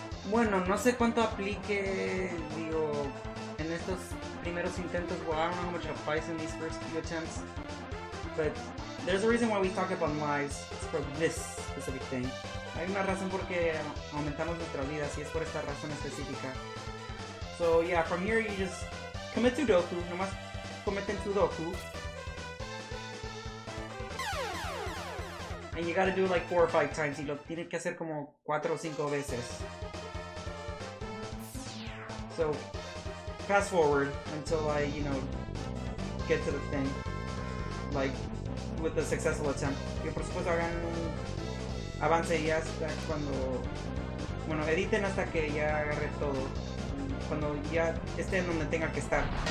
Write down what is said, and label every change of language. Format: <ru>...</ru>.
<es>Bueno, no sé cuánto aplique, digo, en estos primeros intentos.</es> <en>Well, I don't know how much applies in these first few attempts. But there's a reason why we talk about lives. It's for this specific thing.</en> <es>Hay una razón por qué aumentamos nuestras vidas, y es por esta razón específica.</es> <en>So yeah, from here you just commit to Doku.</en> <es>Nomás cometen to Doku.</es> <en>And you gotta do it like 4 or 5 times.</en> <es>Y lo tienes que hacer como 4 o 5 veces.</es> <en>So, fast forward until I, you know, get to the thing, like, with a successful attempt.</en> <es>Yo, por supuesto, hagan un avance ya hasta cuando, bueno, editen hasta que ya agarre todo, cuando ya esté en donde tenga que estar.</es>